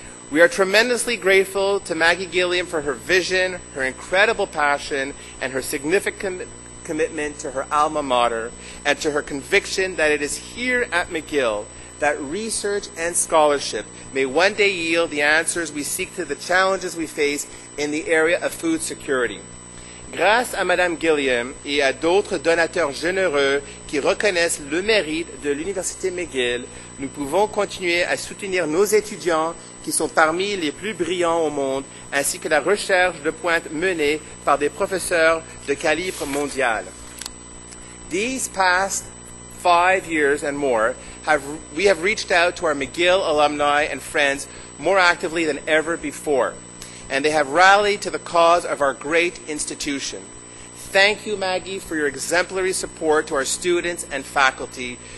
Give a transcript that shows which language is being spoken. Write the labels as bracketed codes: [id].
[en] We are tremendously grateful to Maggie Gilliam for her vision, her incredible passion, and her significant commitment to her alma mater, and to her conviction that it is here at McGill that research and scholarship may one day yield the answers we seek to the challenges we face in the area of food security. [fr] Grâce à Madame Gilliam et à d'autres donateurs généreux qui reconnaissent le mérite de l'Université McGill, nous pouvons continuer à soutenir nos étudiants qui sont parmi les plus brillants au monde, ainsi que la recherche de pointe menée par des professeurs de calibre mondial. [en] These past 5 years and more, we have reached out to our McGill alumni and friends more actively than ever before, and they have rallied to the cause of our great institution. Thank you, Maggie, for your exemplary support to our students and faculty.